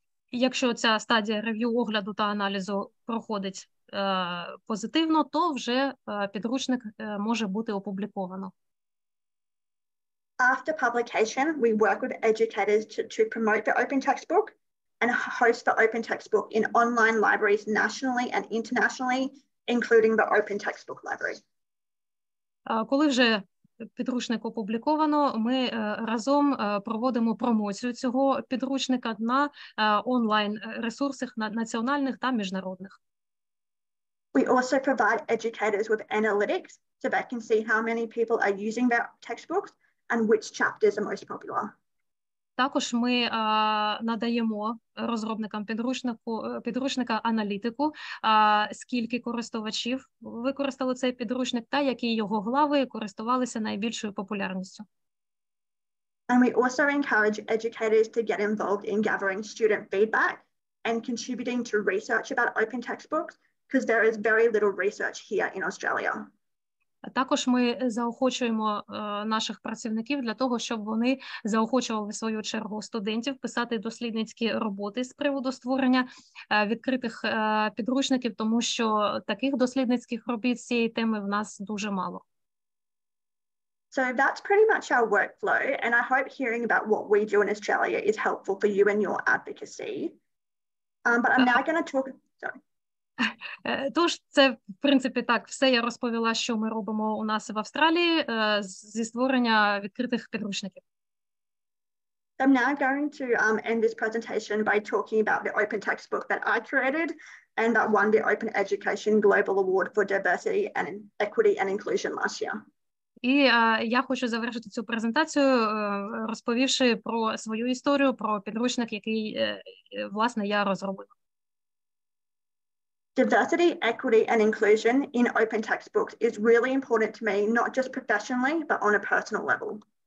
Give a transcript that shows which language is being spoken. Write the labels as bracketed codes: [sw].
[uk] Якщо ця стадія рев'ю огляду та аналізу проходить позитивно, то вже підручник може бути опубліковано. [en] After publication, we work with educators to promote the Open Textbook and host the Open Textbook in online libraries nationally and internationally, including the Open Textbook Library. [uk] Коли вже підручник опубліковано, ми разом проводимо промоцію цього підручника на онлайн-ресурсах національних та міжнародних. [en] We also provide educators with analytics so they can see how many people are using their textbooks and which chapters are most popular. [uk] Також ми надаємо розробникам підручника аналітику, скільки користувачів використали цей підручник та які його глави користувалися найбільшою популярністю. [en] And we also encourage educators to get involved in gathering student feedback and contributing to research about open textbooks, because there is very little research here in Australia. [uk] Також ми заохочуємо наших працівників для того, щоб вони заохочували в свою чергу студентів писати дослідницькі роботи з приводу створення відкритих підручників, тому що таких дослідницьких робіт з цієї теми в нас дуже мало. [en] So that's pretty much our workflow, and I hope hearing about what we do in Australia is helpful for you and your advocacy. But I'm now going to talk... Sorry. [uk] Тож, це, в принципі, так, все я розповіла, що ми робимо у нас в Австралії зі створення відкритих підручників. [en] I'm now going to end this presentation by talking about the open textbook that I created and that won the Open Education Global Award for Diversity and Equity and Inclusion last year. [uk] І я хочу завершити цю презентацію, розповівши про свою історію, про підручник, який, власне, я розробила. [en] Diversity, equity, and inclusion in open textbooks is really important to me, not just professionally, but on a personal level.